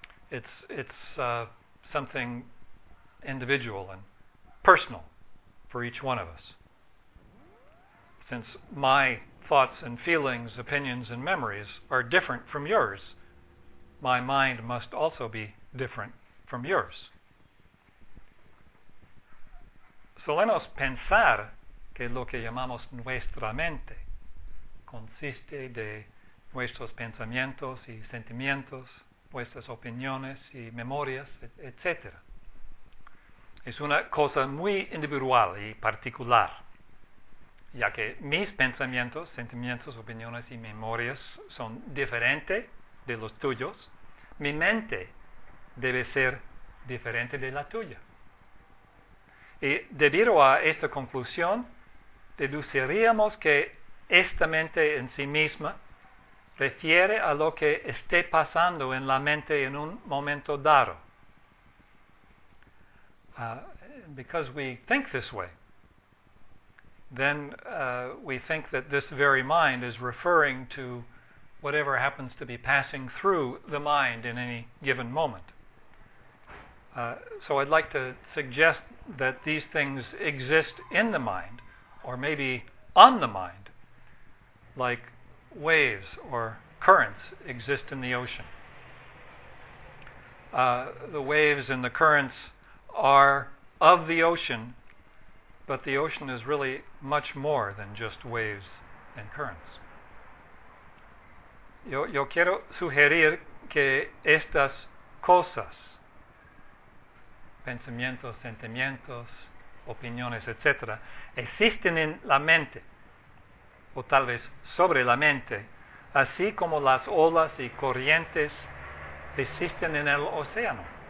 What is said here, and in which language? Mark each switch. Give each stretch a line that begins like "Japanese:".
English: It's something individual and personal for each one of us. Since my thoughts and feelings, opinions and memories are different from yours, my mind must also be different from yours.
Spanish: Solemos pensar que lo que llamamos nuestra mente consiste de nuestros pensamientos y sentimientos, nuestras opiniones y memorias, etc. Es una cosa muy individual y particular, ya que mis pensamientos, sentimientos, opiniones y memorias son diferentes de los tuyos, mi mente debe ser diferente de la tuya. Y debido a esta conclusión, deduciríamos que esta mente en sí misma refiere a lo que esté pasando en la mente en un momento dado.
English: Because we think this way, then we think that this very mind is referring to whatever happens to be passing through the mind in any given moment. So I'd like to suggest that these things exist in the mind, or maybe on the mind, like waves or currents exist in the ocean. The waves and the currents are of the ocean, but the ocean is really much more than just waves and currents.
Spanish: Yo quiero sugerir que estas cosas, pensamientos, sentimientos, opiniones, etc., existen en la mente, o tal vez sobre la mente, así como las olas y corrientes existen en el océano.